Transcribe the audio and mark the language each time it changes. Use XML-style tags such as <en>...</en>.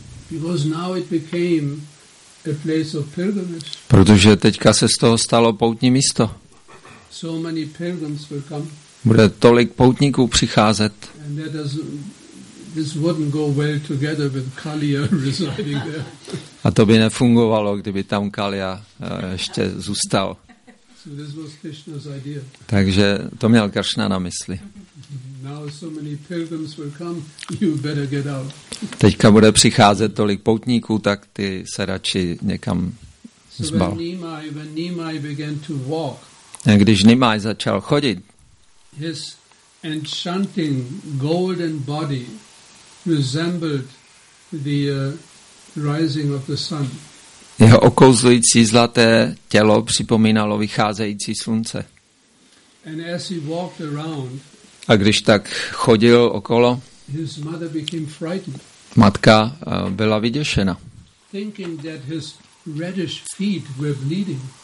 <en>Because now it became a place of pilgrimage.</en> <cs>Protože teďka se z toho stalo poutní místo.</cs> <en>So many pilgrims will come.</en> <cs>Bude tolik poutníků přicházet.</cs> <en>And that is, this wouldn't go well together with Kaliya residing there.</en> <cs>A to by nefungovalo, kdyby tam Kaliya ještě zůstal.</cs> <en>So this was Krishna's idea.</en> <cs>Takže to měl Krishna na mysli.</cs> <en>Now so many pilgrims will come, you better get out.</en> <cs>Teďka bude přicházet tolik poutníků, tak ty se radši někam zbal.</cs> <en>So when Nimai began to walk,</en> <cs>a když Nimai začal chodit,</cs> <en>his enchanting golden body resembled the rising of the sun.</en> <cs>Jeho okouzlující zlaté tělo připomínalo vycházející slunce.</cs> <en>And as he walked around,</en> <cs>a když tak chodil okolo,</cs> <en>his mother became frightened.</en> <cs>Matka byla vyděšena.</cs> <en>Thinking that his reddish feet were bleeding.</en>